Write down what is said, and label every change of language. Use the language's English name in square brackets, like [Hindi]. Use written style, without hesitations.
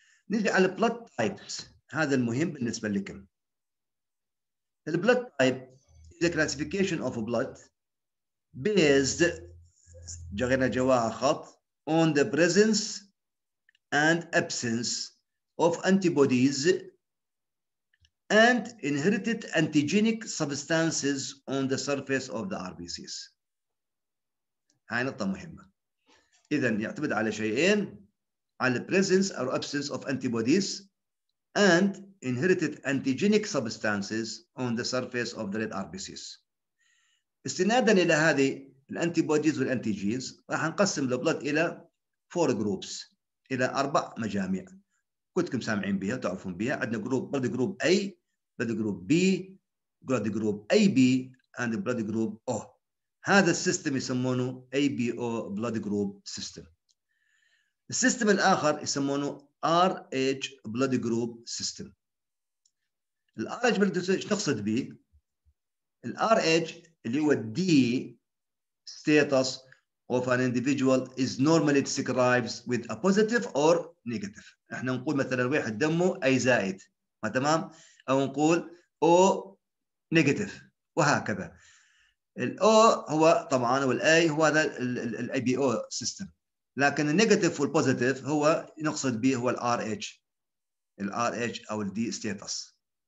[Arabic] نيجي على البلد تايبس، هذا المهم بالنسبه لكم. [English] البلد type the classification of blood based جغنا جواها خط on the presence and absence of antibodies and inherited antigenic substances on the surface of the R B Cs. [Arabic] هاي نقطة مهمة. إذن يعتمد على شيئين، على [English] the presence or absence of antibodies and inherited antigenic substances on the surface of the red RBCs. [Arabic] استناداً إلى هذه الـ antibodies والـ antigens راح نقسم الـ blood إلى 4 groups، إلى 4 مجامع كنتكم سامعين بها تعرفون بها. [English] عندنا group blood group A, blood group B, blood group AB and blood group O. هذا السيستم يسمونه ABO blood group system. السيستم الآخر يسمونه RH blood group system. الـ RH blood group system [Arabic] نقصد به [English] الـ RH [Arabic] اللي هو [English] D status of an individual is normally described with a positive or negative. [Arabic] احنا نقول مثلا واحد دمه A زائد ما تمام، او نقول O negative وهكذا. الاو هو طبعا والاي هو هذا الاي بي او سيستم، لكن النيجاتيف والبوزيتيف هو نقصد به هو الار اتش، الار اتش او الدي ستيتس.